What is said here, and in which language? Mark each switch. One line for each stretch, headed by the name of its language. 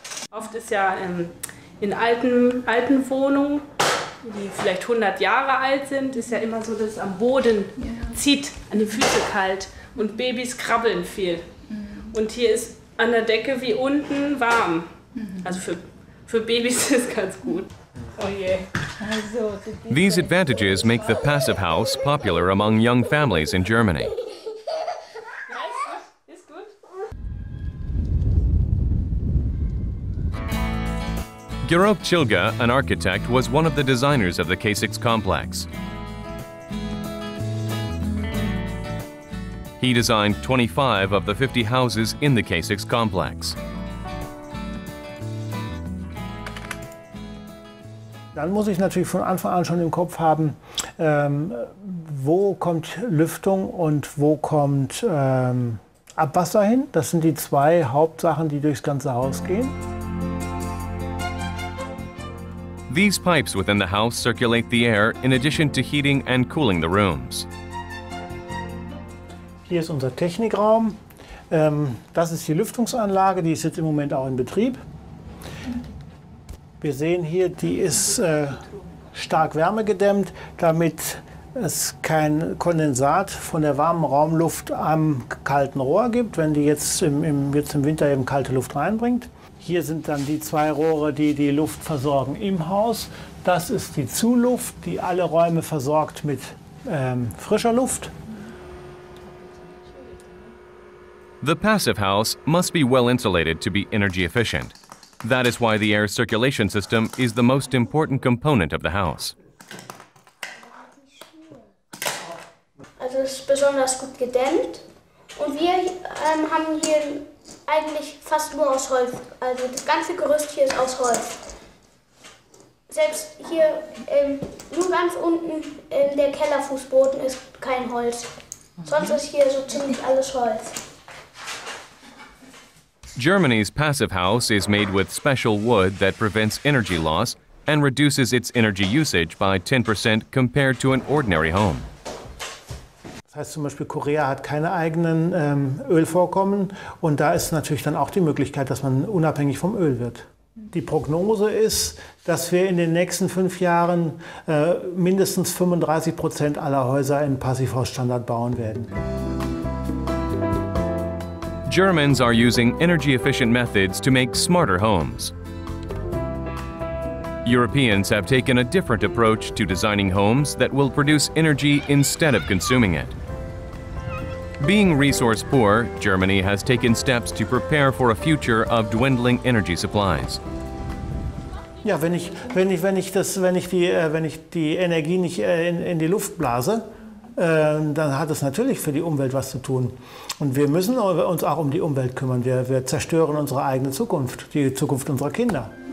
German: Oft ist ja in alten Wohnungen, die vielleicht 100 Jahre alt sind, ist ja immer so, dass es am Boden zieht, an den Füßen kalt und Babys krabbeln viel. Und hier ist an der Decke wie unten warm. Also für Babys ist es ganz gut. Oh je.
English: These advantages make the passive house popular among young families in Germany. Georg Chilga, an architect, was one of the designers of the Kasich's complex. He designed 25 of the 50 houses in the Kasich's complex.
German: Dann muss ich natürlich von Anfang an schon im Kopf haben, wo kommt Lüftung und wo kommt Abwasser hin. Das sind die zwei Hauptsachen, die durchs ganze Haus gehen.
English: These pipes within the house circulate the air in addition to heating and cooling the rooms.
German: Hier ist unser Technikraum. Das ist die Lüftungsanlage, die ist jetzt im Moment auch in Betrieb. Wir sehen hier, die ist stark wärmegedämmt, damit es kein Kondensat von der warmen Raumluft am kalten Rohr gibt, wenn die jetzt im Winter eben kalte Luft reinbringt. Hier sind dann die zwei Rohre, die die Luft versorgen im Haus. Das ist die Zuluft, die alle Räume versorgt mit frischer Luft.
English: The passive house must be well insulated to be energy efficient. That is why the air circulation system is the most important component of the house.
German: Also es ist besonders gut gedämmt und wir haben hier eigentlich fast nur aus Holz. Also das ganze Gerüst hier ist aus Holz. Selbst hier nur ganz unten in der Kellerfußboden ist kein Holz. Sonst ist hier so ziemlich alles Holz.
English: Germany's passive house is made with special wood that prevents energy loss and reduces its energy usage by 10% compared to an ordinary home.
German: Das heißt zum Beispiel, Korea hat keine eigenen Ölvorkommen und da ist natürlich dann auch die Möglichkeit, dass man unabhängig vom Öl wird. Die Prognose ist, dass wir in den nächsten 5 Jahren mindestens 35% aller Häuser in Passivhausstandard bauen werden.
English: Germans are using energy-efficient methods to make smarter homes. Europeans have taken a different approach to designing homes that will produce energy instead of consuming it. Being resource poor, Germany has taken steps to prepare for a future of dwindling energy supplies.
German: Ja, wenn ich die Energie nicht in die Luft blase, dann hat es natürlich für die Umwelt was zu tun. Und wir müssen uns auch um die Umwelt kümmern. Wir zerstören unsere eigene Zukunft, die Zukunft unserer Kinder.